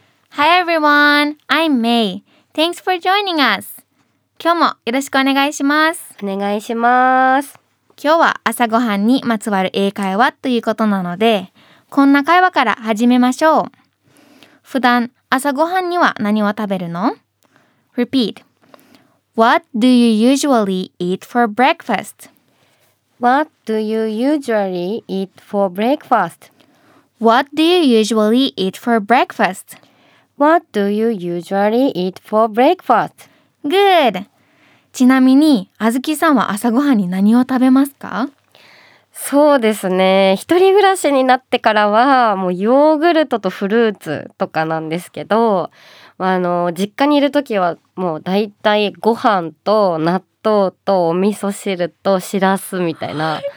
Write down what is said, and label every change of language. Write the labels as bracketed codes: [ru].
[en] Hi everyone, I'm May. Thanks for joining us. [ja] 今日もよろしくお願いします。お願いします。今日は朝ごはんにまつわる英会話ということなので、こんな会話から始めましょう。普段朝ごはんには何を食べるの？ [en] Repeat. What do you usually eat for breakfast? What do you usually eat for breakfast? What do you usually eat for breakfast? What do you usually eat for breakfast? Good. [ja] ちなみに、あずきさんは朝ごはんに何を食べますか？そうですね。一人暮らしになってからは、もうヨーグルトとフルーツとかなんですけど、実家にいるときは、もうだいたいご飯と納豆とお味噌汁とシラスみたいな。